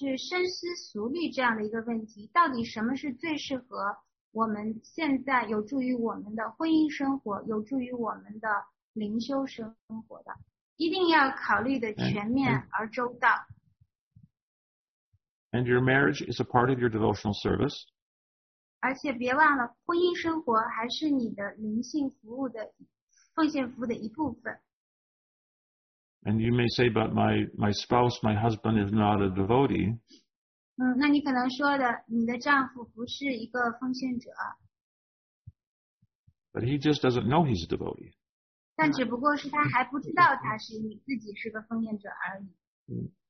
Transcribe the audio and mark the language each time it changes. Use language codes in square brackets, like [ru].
[zh] 所以说我们一定要去深思熟虑这样的一个问题, 到底什么是最适合 我们现在有助于我们的婚姻生活, 有助于我们的灵修生活的, 一定要考虑的全面而周到。 [en] And your marriage is a part of your devotional service. [zh] 而且别忘了, 婚姻生活还是你的灵性服务的奉献服务的一部分。 [en] And you may say, but my spouse, my husband is not a devotee. [zh] 那你可能说的你的丈夫不是一个奉献者, [en] but he just doesn't know he's a devotee. [zh] 但只不过是他还不知道他是你自己是个奉献者而已。